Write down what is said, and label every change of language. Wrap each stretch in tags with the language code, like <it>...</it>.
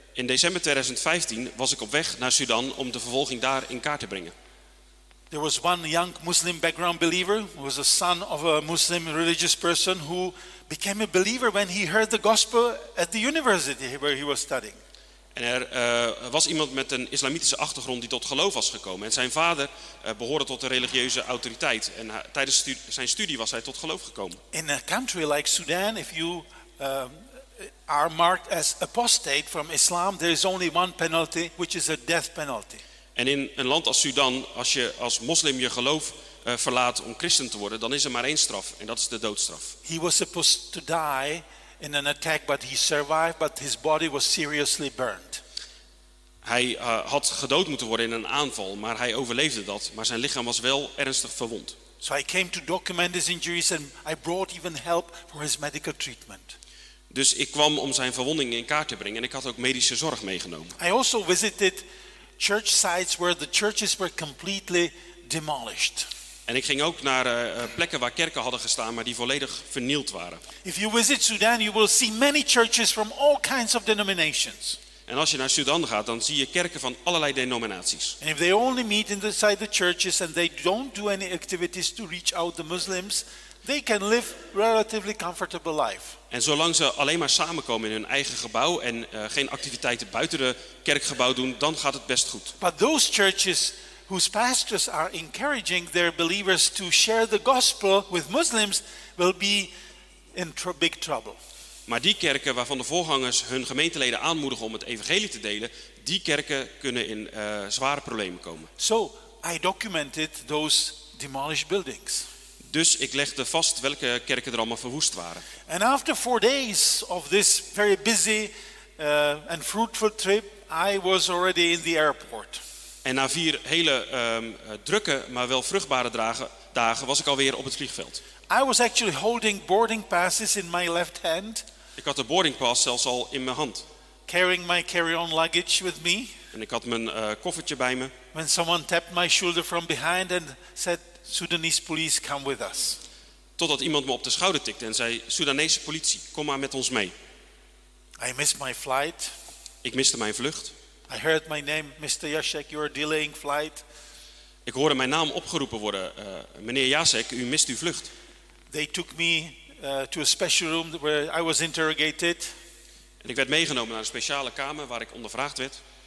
<nl>In december 2015 was ik op weg naar Sudan om de vervolging daar in kaart te brengen.</nl> <en>There was one young Muslim background believer who was a son of a Muslim religious person who became a believer when he heard the gospel at the university where he was studying.</en> <nl>En er was iemand met een islamitische achtergrond die tot geloof was gekomen. En zijn vader behoorde tot de religieuze autoriteit. En tijdens zijn studie was hij tot geloof gekomen.</nl> <en>In a country like Sudan, if you are marked as apostate from Islam, there is only one penalty, which is a death penalty.</en> <nl>En in een land als Sudan, als je als moslim je geloof verlaat om christen te worden, dan is er maar één straf, en dat is de doodstraf.</nl> <en>He was supposed to die in an attack, but he survived, but his body was seriously burned.</en> <nl>Hij had gedood moeten worden in een aanval, maar hij overleefde dat, maar zijn lichaam was wel ernstig verwond.</nl> <en>So I came to document his injuries and I brought even help for his medical treatment.</en> <nl>Dus ik kwam om zijn verwondingen in kaart te brengen en ik had ook medische zorg meegenomen.</nl> <en>I also visited church sites where the churches were completely demolished.</en> <nl>En ik ging ook naar plekken waar kerken hadden gestaan, maar die volledig vernield waren.</nl> <en>If you visit Sudan, you will see many churches from all kinds of denominations.</en> <nl>En als je naar Sudan gaat, dan zie je kerken van allerlei denominaties.</nl> <en>And if they only meet inside the churches and they don't do any activities to reach out the Muslims, they can live relatively comfortable life.</en> <nl>En zolang ze alleen maar samenkomen in hun eigen gebouw en geen activiteiten buiten de kerkgebouw doen, dan gaat het best goed.</nl> <en>But those churches whose pastors are encouraging their believers to share the gospel with Muslims will be in big trouble.</en> <nl>Maar die kerken waarvan de voorgangers hun gemeenteleden aanmoedigen om het evangelie te delen, die kerken kunnen in zware problemen komen.</nl> <en>So I documented those demolished buildings.</en> <nl>Dus ik legde vast welke kerken er allemaal verwoest waren.</nl> <en>And after 4 days of this very busy and fruitful trip, I was already in the airport.</en> <nl>En na 4 hele drukke, maar wel vruchtbare dagen, was ik alweer op het vliegveld.</nl> <en>I was actually holding boarding passes in my left hand.</en> <nl>Ik had de boarding pass zelfs al in mijn hand.</nl> <en>Carrying my carry-on luggage with me.</en> <nl>En ik had mijn koffertje bij me.</nl> <en>When someone tapped my shoulder from behind and said, Sudanese police, come with us.</en> <nl>Totdat iemand me op de schouder tikte en zei, Sudanese politie, kom maar met ons mee.</nl> <en>I missed my flight.</en> <nl>Ik miste mijn vlucht.</nl> <en>I heard my name, Mr. Jacek, you are delaying flight.</en> <nl>Ik hoorde mijn naam opgeroepen worden. Meneer Jacek, u mist uw vlucht.</nl> <en>They took me to a special room where I was interrogated.</en> <nl>En ik werd meegenomen naar een speciale kamer waar ik ondervraagd werd.</nl>